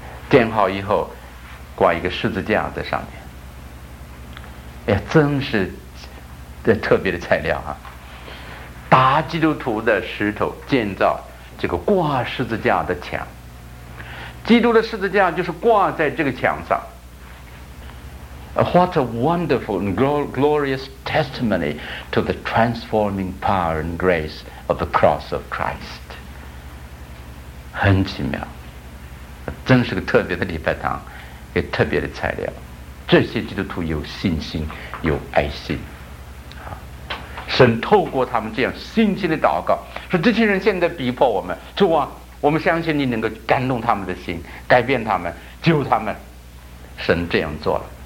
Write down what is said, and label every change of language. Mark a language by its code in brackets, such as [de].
[zh] 建好以后挂一个十字架在上面，哎呀，真是这特别的材料啊，打基督徒的石头建造这个挂十字架的墙，基督的十字架就是挂在这个墙上。 [en] What a wonderful and glorious testimony to the transforming power and grace of the cross of Christ. [zh] 很奇妙，真是个特别的礼拜堂，也特别的材料。这些基督徒有信心，有爱心。神透过他们这样信心的祷告，说这些人现在逼迫我们，主啊，我们相信你能够感动他们的心，改变他们，救他们。神这样做了。